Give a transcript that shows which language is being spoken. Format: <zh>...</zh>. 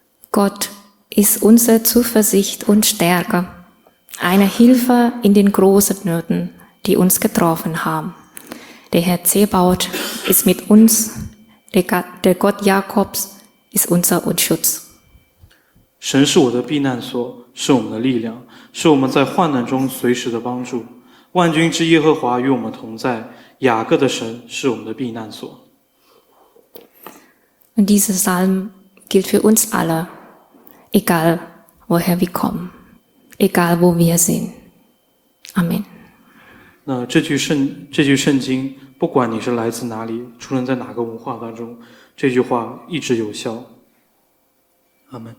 <de>Gott ist unsere Zuversicht und Stärke, eine Hilfe in den großen Nöten, die uns getroffen haben. Der Herr Zebaoth ist mit uns, der Gott Jakobs ist unser Schutz.</de> <zh>神是我的避难所，是我们的力量，是我们在患难中随时的帮助。万军之耶和华与我们同在，雅各的神是我们的避难所。</zh> <de>Und dieser Psalm gilt für uns alle, egal woher wir kommen, egal wo wir sind. Amen.</de> <zh>那这句圣这句圣经，不管你是来自哪里，出生在哪个文化当中，这句话一直有效。阿门。</zh>